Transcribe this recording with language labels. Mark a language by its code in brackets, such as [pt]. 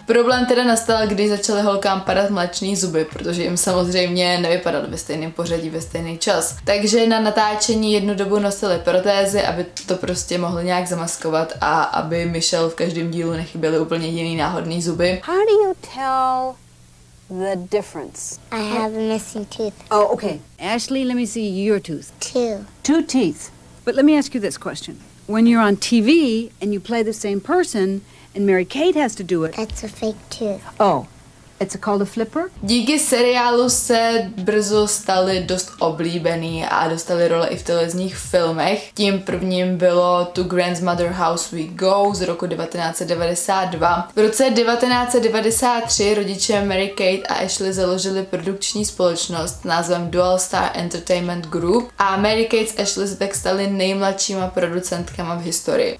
[cs] Problém teda nastal, když začaly holkám padat mléčné zuby, protože jim samozřejmě nevypadaly ve stejném pořadí ve stejný čas. Takže na natáčení jednu dobu nosily protézy, aby to prostě mohly nějak zamaskovat a aby Michelle v každém dílu nechyběly úplně jiný náhodný zuby. [en] How do you tell the difference? I have a missing tooth. Oh, okay. Ashley, let me see your tooth. Two teeth. But let me ask you this question. When you're on TV and you play the same person and Mary-Kate has to do it. That's a fake tooth. Oh. It's called a flipper. [cs] Díky seriálu se brzo stali dost oblíbený a dostali role i v televizních filmech. Tím prvním bylo To Grandmother House We Go z roku 1992. V roce 1993 rodiče Mary-Kate a Ashley založili produkční společnost názvem Dual Star Entertainment Group a Mary-Kate a Ashley se tak stali nejmladšíma producentkama v historii.